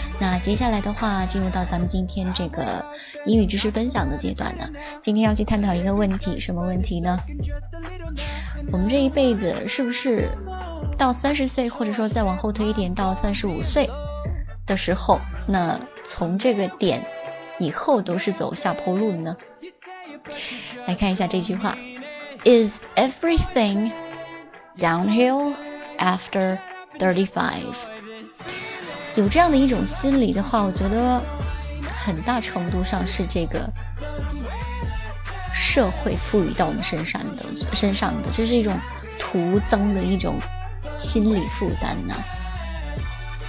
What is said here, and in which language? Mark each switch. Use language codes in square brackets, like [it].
[zh] 那接下来的话，进入到咱们今天这个英语知识分享的阶段呢，今天要去探讨一个问题，什么问题呢？我们这一辈子是不是到30岁，或者说再往后推一点，到35岁的时候，那从这个点以后都是走下坡路呢？来看一下这句话 [en] ，Is everything downhill after 35？ [zh] 有这样的一种心理的话，我觉得很大程度上是这个社会赋予到我们身上的，这是一种徒增的一种心理负担呢、啊。